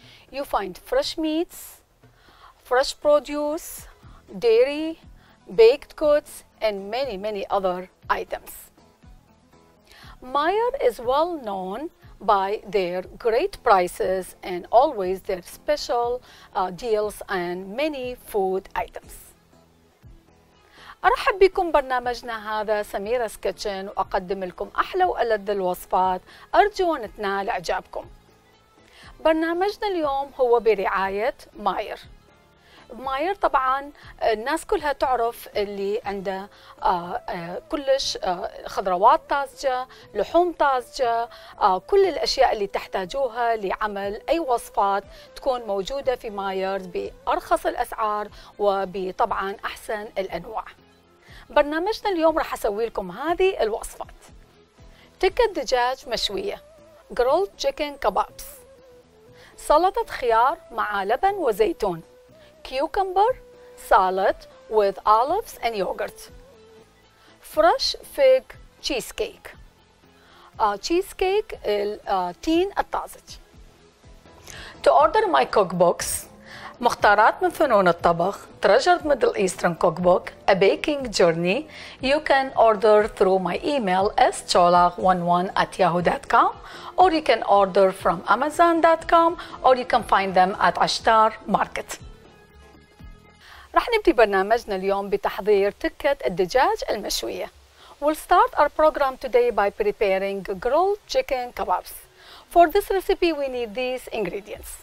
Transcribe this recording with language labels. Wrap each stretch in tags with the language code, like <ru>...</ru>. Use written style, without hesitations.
<en>You find fresh meats, fresh produce, dairy, baked goods, and many, many other items. Meijer is well known by their great prices and always their special deals and many food items.</en> <ar>أرحب بكم برنامجنا هذا سميرة's Kitchen وأقدم لكم أحلى وألذ الوصفات أرجو أن تنال إعجابكم. برنامجنا اليوم هو برعاية Meijer. Meijer طبعا الناس كلها تعرف اللي عنده كلش خضروات طازجة، لحوم طازجة، كل الأشياء اللي تحتاجوها لعمل أي وصفات تكون موجودة في Meijer بأرخص الأسعار وبطبعا أحسن الأنواع. برنامجنا اليوم راح أسوي لكم هذه الوصفات: تكة دجاج مشوية،</ar> <en>grilled chicken kebabs،</en> <ar>سلطة خيار مع لبن وزيتون،</ar> <en>cucumber salad with olives and yogurt، fresh fig cheesecake،</en> <ar>cheesecake التين الطازج.</ar> <en>To order my cookbooks، مختارات من فنون الطبخ، Treasured Middle Eastern Cookbook, A Baking Journey, you can order through my email scholag11@yahoo.com or you can order from amazon.com or you can find them at Ashtar Market.</en> <ar>رح نبدي برنامجنا اليوم بتحضير تكة الدجاج المشوية.</ar> <en>We'll start our program today by preparing grilled chicken kebabs. For this recipe, we need these ingredients.</en>